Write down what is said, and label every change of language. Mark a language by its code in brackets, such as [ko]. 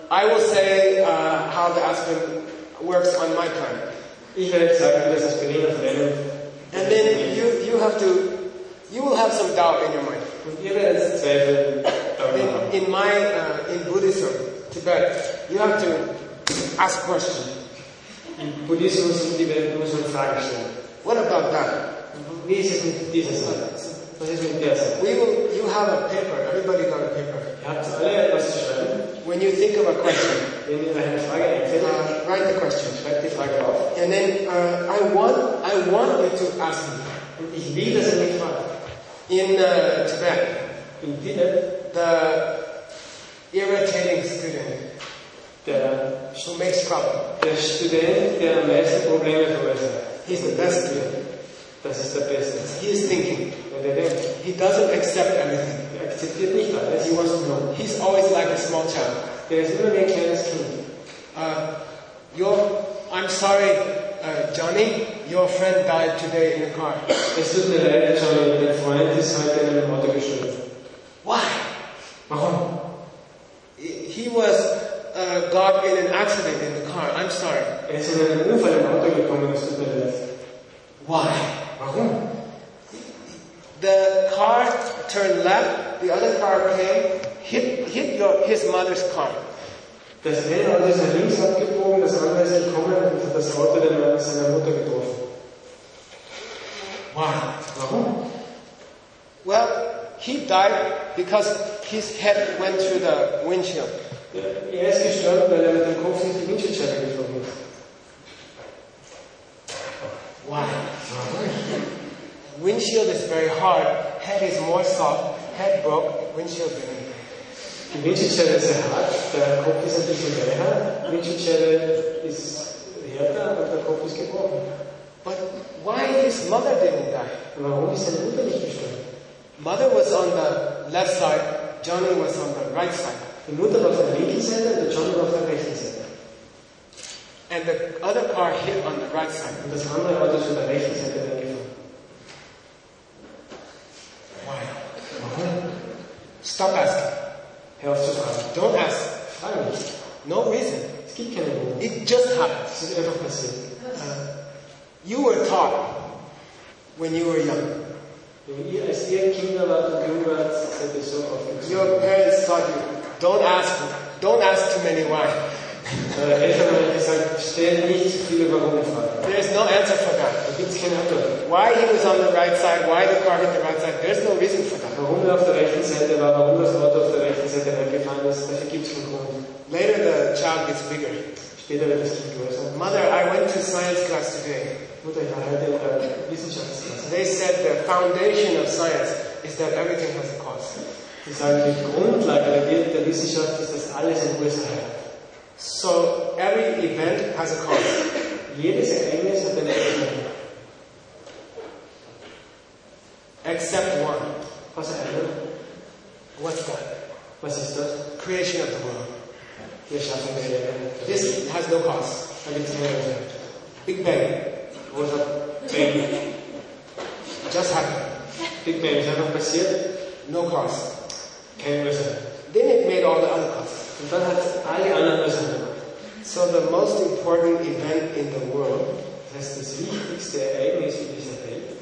[en] I will say how the aspirin works on my planet. [de] Ich werde sagen, das Aspirin auf meinem. [en] And then you have to, you will have some doubt in your mind. [de] Und ihr werdet Zweifel darüber haben. [en] In my in Buddhism, Tibet, you have to ask questions. [de] In Buddhismus in Tibet muss man Fragen stellen. [en] What about that? [de] Wie ist es mit dieser Sache? Was ist mit der Sache? [en] You have a paper. Everybody got a paper. [de] Ihr habt alle etwas zu schreiben. [en] When you think of a question, [de] wenn ihr eine Frage erzählt, [en] write the question. [de] Schreibt die Frage auf. [en] And then I want you to ask me. [de] Und ich will, dass ihr mich fragt. [en] In Tibet. [de] In Tibet. [en] The irritating student. [de] Der [en] who makes trouble. [de] Der Student, der am meisten Probleme verursacht. [en] He's the best student. [de] Das ist der Beste. [en] He is thinking. [de] Und er denkt. [en] He doesn't accept anything. [de] Er akzeptiert nicht alles. [en] He wants to know. He's always like a small child. [de] Der ist immer wie ein kleines Kind. [en] I'm sorry, Johnny, your friend died today in a car. [de] Es tut mir leid, Johnny, dein Freund ist heute in einem Auto gestorben. [en] Why? [de] Warum? [en] He was got in an accident in the car. I'm sorry. [de] Er ist in einem Unfall im Auto gekommen. Es tut mir leid. [en] Why? [de] Warum? [en] The car turned left. The other car came, hit his mother's car. [de] Das eine Auto ist nach links abgebogen, das andere ist gekommen und hat das Auto der Mann seiner Mutter getroffen. [en] Why? [de] Warum? [en] Well, he died because his head went through the windshield. [de] Er ist gestorben, weil er mit dem Kopf in die Windschutzscheibe geflogen ist. [en] Why? Windshield is very hard. Head is more soft. Head broke. Windshield didn't. [de] Die Windschutzscheibe ist sehr hart. Der Kopf ist ein bisschen weicher. Windschutzscheibe ist härter, aber der Kopf ist gebrochen. [en] But why his mother didn't die? [de] Warum ist seine Mutter nicht gestorben? [en] Mother was on the left side. Johnny was on the right side. [de] Die Mutter war auf der linken Seite und Johnny war auf der rechten Seite. [en] And the other car hit on the right side. [de] Und das andere Auto ist auf der rechten Seite weggefahren. [en] Why? [de] Warum? [en] Stop asking. [de] Hör auf zu fragen. [en] Don't ask. [de] Frag nicht. [en] No reason. [de] Es gibt keine Grund. [en] It just happened. [de] Es ist einfach passiert. [en] You were taught when you were young. [de] Wenn ihr als ihr Kinder wart und jung wart, seid ihr so aufgewachsen. [en] Your parents taught you. Don't ask. Don't ask too many why. [de] Eltern haben gesagt, stell nicht viele Warum Fragen. [en] There is no answer for that. [de] Da gibt es keine Antwort. [en] Why he was on the right side, why the car hit the right side, there is no reason for that. [de] Warum er auf der rechten Seite war, warum das Auto auf der rechten Seite weggefahren ist, dafür gibt es keinen Grund. [en] Later the child gets bigger. [de] Später wird das Kind größer. [en] Mother, I went to science class today. [de] Mutter, ich war heute in der Wissenschaftsklasse. [en] They said the foundation of science is that everything has a cause. [de] Die sagen, die Grundlage der Wissenschaft ist, dass alles eine Ursache hat. [en] So every event has a cause. [de] Jedes Ereignis hat eine Ursache. [en] Except one. [de] Was ist das? [en] What's that? [de] Was ist das? [en] Creation of the world. [de] Die Erschaffung der Erde. [en] This has no cause. [de] Da gibt es keine Ursache. [en] Big Bang. [de] Großer Bang. [en] Just happened. [de] Big Bang ist einfach passiert. [en] No cause. [de] Keine Ursache. [en] Then it made all the other causes. [de] Und dann hat alle anderen Ursachen gemacht. [en] So the most important event in the world, [de] das heißt das wichtigste Ereignis in dieser Welt,